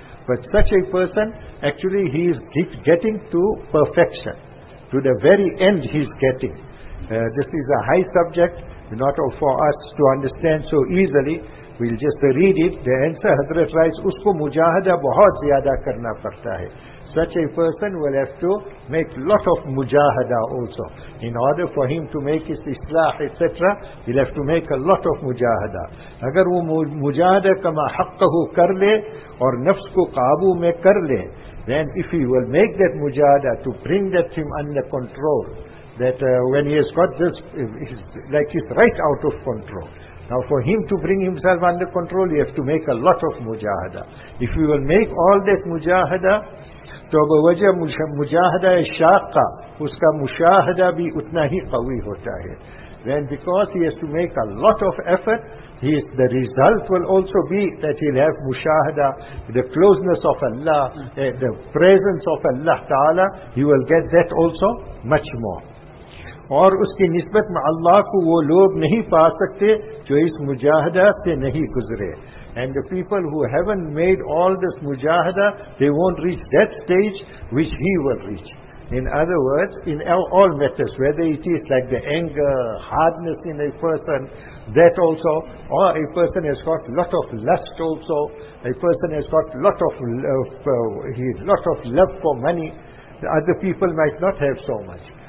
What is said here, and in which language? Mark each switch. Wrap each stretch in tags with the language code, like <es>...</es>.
<en>But such a person, actually, he is getting to perfection. To the very end he is getting. This is a high subject, not for us to understand so easily. We'll just read it. The answer, Hazrat writes,</en> <ur>اس کو مجاہدہ بہت زیادہ کرنا پڑتا ہے.</ur> <en>Such a person will have to make lot of mujahada also. In order for him to make his islah, etc., he'll have to make a lot of mujahada.</en> <ur>Agar wo mujahada kama haqqahu kar le,</ur> <en>aur nafs ko qabu mein kar le, then if he will make that mujahada to bring that him under control, that when he has got this, he's right out of control. Now for him to bring himself under control, he has to make a lot of mujahada. If he will make all that mujahada,</en> <ur>تو بوجہ مجاہدہ شاقہ اس کا مشاہدہ بھی اتنا ہی قوی ہوتا ہے.</ur> <en>Then because he has to make a lot of effort, the result will also be that he'll have mushahada, the closeness of Allah, the presence of Allah Ta'ala, he will get that also much more.</en> <ur>اور اس کی نسبت میں اللہ کو وہ لوگ نہیں پا سکتے جو اس مجاہدہ سے نہیں گزرے.</ur> <en>And the people who haven't made all this mujahada, they won't reach that stage which he will reach. In other words, in all matters, whether it is like the anger, hardness in a person, that also, or a person has got lot of lust also, a person has got lot of love for money, the other people might not have so much.</en>